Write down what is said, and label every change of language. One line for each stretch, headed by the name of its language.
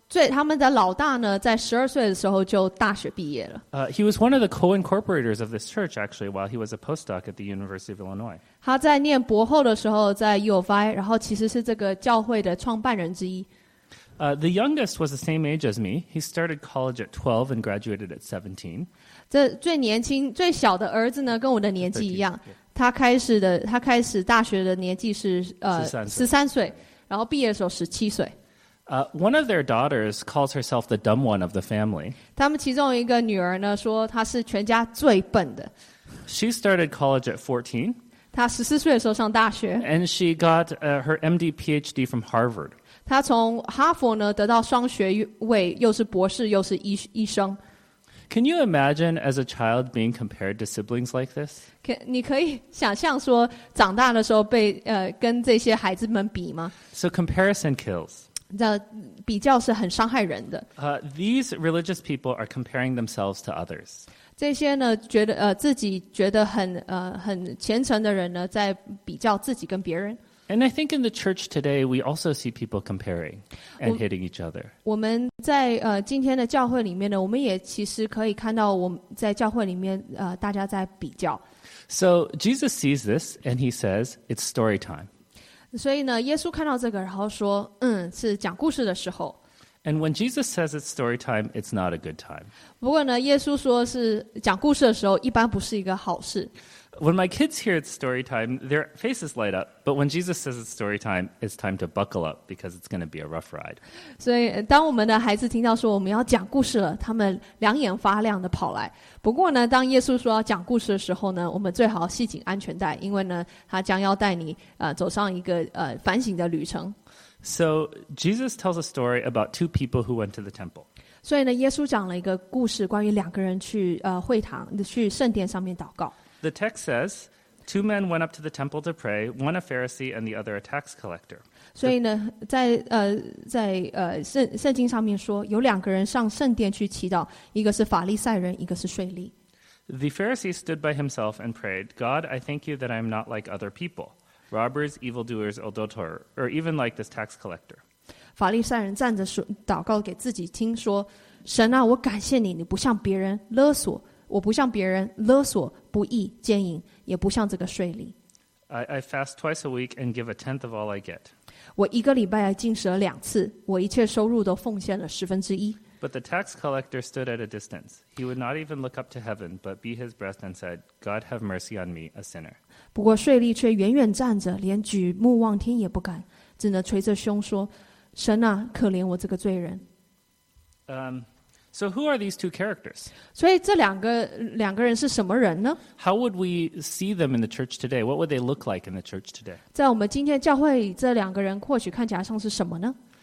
Chinese: 他们的老大呢，在12岁的时候就大学毕业了。
English: He was one of the co-incorporators of this church, actually, while he was a postdoc at the University of Illinois.
Chinese: 他在念博后的时候在 U of I, 然后其实是这个教会的创办人之一。
English: The youngest was the same age as me. He started college at 12 and graduated at 17.
Chinese: 这最年轻、最小的儿子呢，跟我的年纪一样。他开始大学的年纪是13岁，然后毕业的时候17岁。
English: One of their daughters calls herself the dumb one of the family.
Chinese: 他们其中一个女儿呢，说她是全家最笨的。
English: She started college at 14.
Chinese: 她14岁的时候上大学。
English: And she got her MD PhD from Harvard.
Chinese: 他从哈佛呢得到双学位，又是博士，又是医生。
English: Can you imagine as a child being compared to siblings like this?
Chinese: 你可以想象说长大的时候被跟这些孩子们比吗
English: ？So comparison kills.
Chinese: 这比较是很伤害人的。
English: These religious people are comparing themselves to others.
Chinese: 这些呢觉得自己觉得很虔诚的人呢，在比较自己跟别人。
English: And I think in the church today, we also see people comparing and hitting each other.
Chinese: 我们在今天的教会里面呢，我们也其实可以看到我们在教会里面大家在比较。
English: So Jesus sees this and he says, it's story time.
Chinese: 所以呢，耶稣看到这个，然后说，是讲故事的时候。
English: And when Jesus says it's story time, it's not a good time.
Chinese: 不过呢，耶稣说是讲故事的时候，一般不是一个好事。
English: When my kids hear it's story time, their faces light up. But when Jesus says it's story time, it's time to buckle up because it's going to be a rough ride.
Chinese: 所以当我们的孩子听到说我们要讲故事了，他们两眼发亮的跑来。不过呢，当耶稣说要讲故事的时候呢，我们最好系紧安全带，因为呢，他将要带你走上一个反省的旅程。
English: So Jesus tells a story about two people who went to the temple.
Chinese: 所以呢，耶稣讲了一个故事，关于两个人去会堂去圣殿上面祷告。
English: The text says, two men went up to the temple to pray, one a Pharisee and the other a tax collector.
Chinese: 所以呢，在圣经上面说，有两个人上圣殿去祈祷，一个是法利赛人，一个是税吏。
English: The Pharisee stood by himself and prayed, God, I thank you that I am not like other people, robbers, evildoers, adulterers, or even like this tax collector.
Chinese: 法利赛人站着祷告给自己听说，神啊，我感谢你，你不像别人勒索。我不像别人勒索、不义、奸淫，也不像这个税吏。
English: I fast twice a week and give a tenth of all I get.
Chinese: 我一个礼拜禁食了两次，我一切收入都奉献了十分之一。
English: But the tax collector stood at a distance. He would not even look up to heaven, but beat his breast and said, "God have mercy on me, a sinner."
Chinese: 不过税吏却远远站着，连举目望天也不敢，只能捶着胸说：“神啊，可怜我这个罪人。”
English: So who are these two characters?
Chinese: 所以这两个人是什么人呢
English: ？How would we see them in the church today? What would they look like in the church today?
Chinese: 在我们今天教会里，这两个人或许看起来像是什么呢